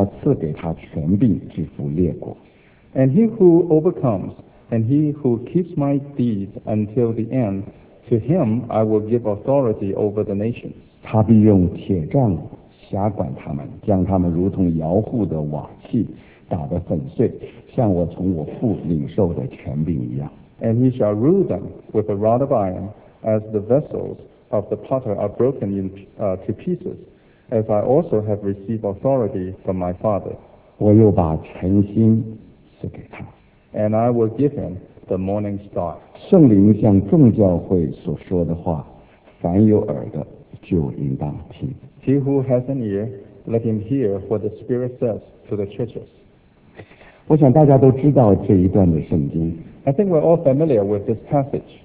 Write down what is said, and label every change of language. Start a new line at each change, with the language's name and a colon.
Chinese: 那得胜又遵守我命令到底的，我要赐给他权柄制服列国。
English: And he who overcomes, and he who keeps my deeds until the end, to him I will give authority over the nations.
Chinese: 他必用铁杖辖管他们，将他们如同摇户的瓦器。打得粉碎，像我从我父领受的权柄一样。
English: And he shall rule them with a rod of iron, as the vessels of the potter are broken to pieces, as I also have received authority from my father.
Chinese: 我又把晨星赐给他。
English: And I will give him the morning star.
Chinese: 圣灵向众教会所说的话，凡有耳的，就应当听。
English: He who has an ear, let him hear what the Spirit says to the churches.
Chinese: 我想大家都知道这一段的圣经。
English: I think we're all familiar with this passage.